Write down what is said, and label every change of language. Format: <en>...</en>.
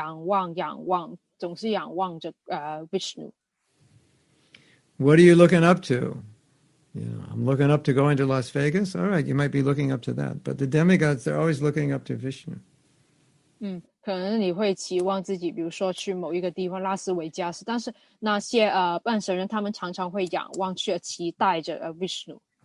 <zh>所以刚才一个很好的师姐，他就是不断在向上去仰望，总是仰望着Vishnu.</zh> <en>What are you looking up to? You know, I'm looking up to going to Las Vegas. All right, you might be looking up to that. But the demigods, they're always looking up to Vishnu.</en> <zh>可能你会期望自己，比如说去某一个地方拉斯维加斯，但是那些半神人，他们常常会仰望去期待着Vishnu。</zh>